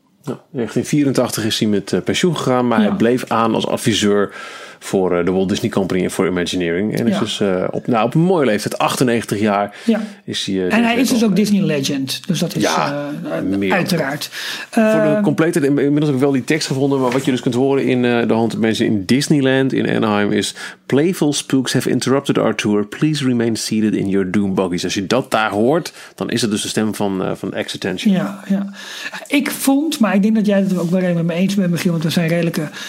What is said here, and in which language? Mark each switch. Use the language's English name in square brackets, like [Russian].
[Dutch] Ja, in 1984 is hij met pensioen gegaan, maar hij bleef aan als adviseur voor de Walt Disney Company en voor Imagineering. En is dus op een mooie leeftijd, 98 jaar, is hij... En hij is dus ook Disney legend, dus dat is uiteraard. Voor de complete, inmiddels heb ik wel die tekst gevonden, maar wat je dus kunt horen in de hand van mensen in Disneyland in Anaheim is... [English] Playful spooks have interrupted our tour, please remain seated in your doom buggies. [Dutch] Als je dat daar hoort, dan is het dus de stem van Existentia. Ja, ja. Ik vond, maar ik denk dat jij het ook wel even mee eens bent, Michiel, want we zijn redelijke...